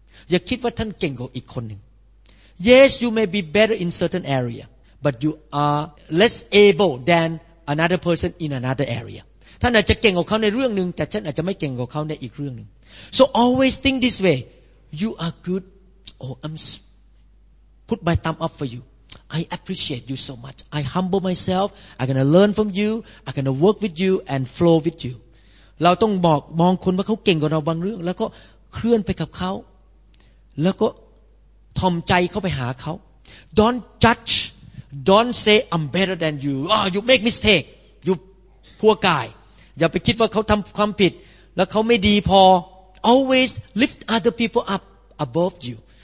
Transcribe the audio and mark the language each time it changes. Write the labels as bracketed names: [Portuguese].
[Thai] อย่าคิดว่าท่านเก่งกว่าอีกคนหนึ่ง [English] Yes, you may be better in certain area, but you are less able than another person in another area. [Thai] ท่านอาจจะเก่งกว่าเขาในเรื่องนึงแต่ฉันอาจจะไม่เก่งกว่าเขาในอีกเรื่องนึง [English] So always think this way. You are good. Oh, I'm put my thumb up for you. I appreciate you so much. I humble myself. I'm gonna learn from you. I'm gonna work with you and flow with you. [Thai] เราต้องมองคนว่าเขาเก่งกว่าเราบางเรื่องแล้วก็เคลื่อนไปกับเขาแล้วก็ทอมใจเข้าไปหาเขา [English] Don't judge Don't say I'm better than you Oh you make mistake You poor guy [Thai] อย่าไปคิดว่าเขาทำความผิดแล้วเขาไม่ดีพอ [English] Always lift other people up above you